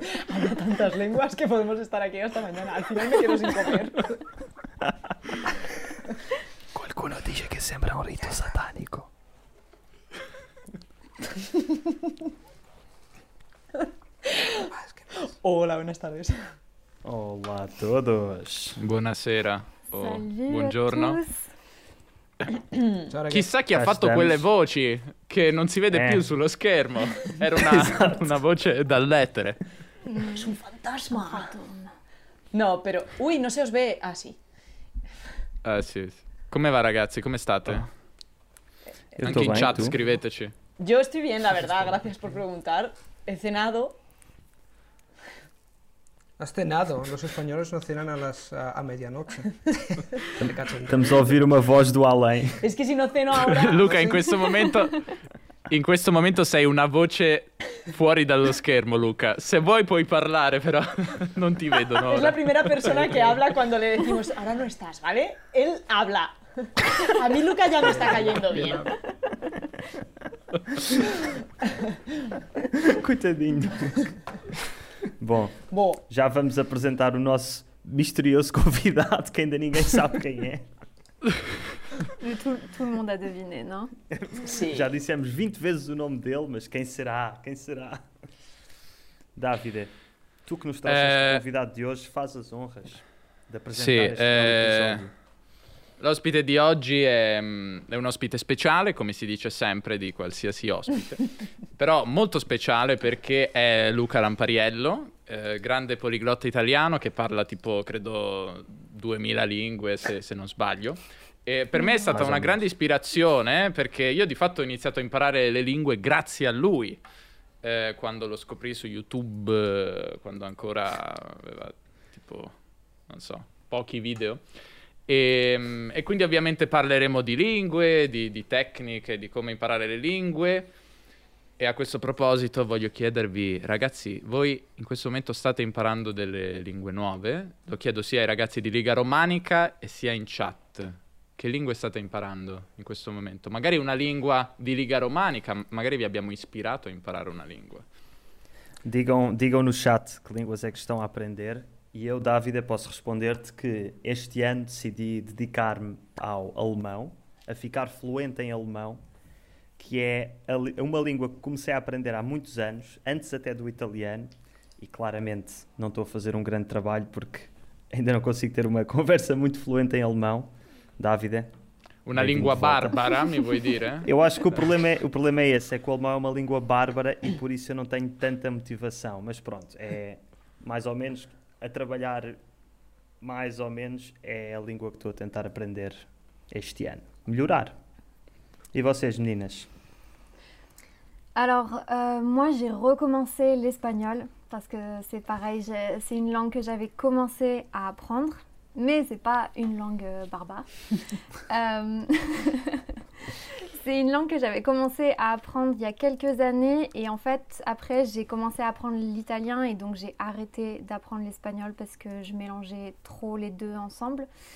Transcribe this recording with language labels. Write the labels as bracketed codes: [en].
[es] Hay tantas lenguas que podemos estar aquí hasta mañana. Al final me quiero sin comer. [it] Qualcuno dice que sembra un rito satánico. [es] Hola, buenas tardes. Hola a todos. [it] Buonasera. Buongiorno. Ciao, chissà chi ha fatto quelle voci che non si vede più sullo schermo. Era una, esatto. Una voce dal lettere. [es] Es un fantasma. [it] No, però... Ui, non se os ve... Ah, sì. Sì. Come va, ragazzi? Come state? Anche in chat, scriveteci. [es] Yo estoy bien, la verdad. Gracias por preguntar. He cenado... Has cenado. Los españoles no cenan a medianoche. [pt] Estamos a ouvir uma voz do além. [es] Es que si no ceno ahora... [it] Luca, in questo momento sei una voce fuori dallo schermo, Luca. Se vuoi puoi parlare, però non ti vedo ora. [es] Es la primera persona que habla cuando le decimos, ahora no estás, ¿vale? Él habla. A mí Luca ya me está cayendo bien. [pt] Coitadinho. Bom, já vamos apresentar o nosso misterioso convidado, que ainda ninguém sabe quem é. Todo mundo a deviner, não? Sim. Já dissemos 20 vezes o nome dele, mas quem será? Quem será? Davide, tu que nos trazes o convidado de hoje, faz as honras de apresentar este novo episódio. [it] L'ospite di oggi è un ospite speciale, come si dice sempre di qualsiasi ospite. Però molto speciale perché è Luca Lampariello, grande poliglotta italiano che parla tipo, credo, 2000 lingue, se non sbaglio. E per me è stata una grande ispirazione perché io di fatto ho iniziato a imparare le lingue grazie a lui, quando lo scoprì su YouTube, quando ancora aveva tipo, non so, pochi video. E quindi ovviamente parleremo di lingue, di tecniche, di come imparare le lingue. E a questo proposito voglio chiedervi, ragazzi, voi in questo momento state imparando delle lingue nuove? Lo chiedo sia ai ragazzi di Liga Romanica e sia in chat. Che lingue state imparando in questo momento? Magari una lingua di Liga Romanica, magari vi abbiamo ispirato a imparare una lingua. [pt] Digam no chat [it] che lingue è che stanno a apprendere. E io, Davide, posso risponderti che [pt] este anno decidi dedicarmi ao alemão, a ficar fluente em alemão. Que é uma língua que comecei a aprender há muitos anos, antes até do italiano, e claramente não estou a fazer um grande trabalho porque ainda não consigo ter uma conversa muito fluente em alemão. Davide? Uma língua bárbara, me vou dizer. Eu acho que o problema é esse, é que o alemão é uma língua bárbara e por isso eu não tenho tanta motivação, mas pronto, é mais ou menos a trabalhar, mais ou menos, é a língua que estou a tentar aprender este ano. Melhorar. Et vocês, meninas? [fr] Alors, moi, j'ai recommencé l'espagnol, parce que c'est pareil, c'est une langue que j'avais commencé à apprendre, mais c'est pas une langue barbare. c'est une langue que j'avais commencé à apprendre il y a quelques années, et en fait, après, j'ai commencé à apprendre l'italien, et donc j'ai arrêté d'apprendre l'espagnol, parce que je mélangeais trop les deux ensemble.